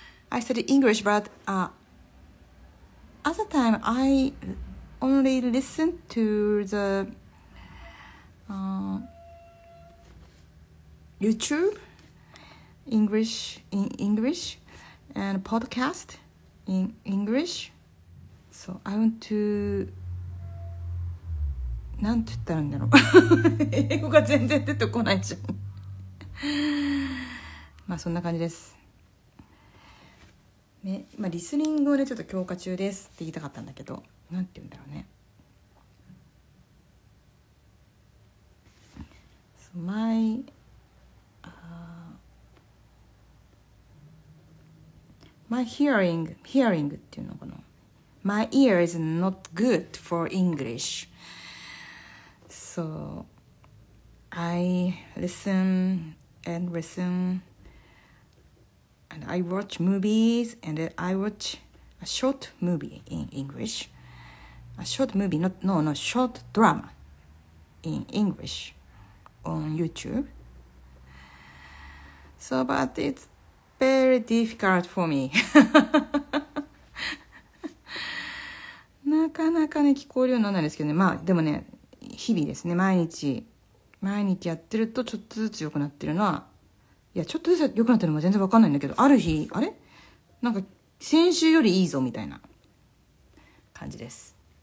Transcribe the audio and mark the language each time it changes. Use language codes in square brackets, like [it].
[en] I study English, but other time I only listen to theYouTube English in English and podcast in English. So I want to, [ja] なんて言ったらいいんだろう。英語が全然出てこないじゃん。まあそんな感じです。ね、まあリスニングをねちょっと強化中ですって言いたかったんだけど、なんて言うんだろうね。 [en] My hearing [ja] っていうのかな。 [en] My ear is not good for English. So I listen and listen and I watch movies and I watch a short movie in English. A short movie, not, no, no, short drama in English. On YouTube. So, but it's very difficult for me. [ja] なかなかね聞こえるようにならないですけどね。まあでもね日々ですね、毎日やってるとちょっとずつ良くなってるのは、いやちょっとずつ良くなってるのも全然わかんないんだけど、ある日あれなんか先週よりいいぞみたいな感じです。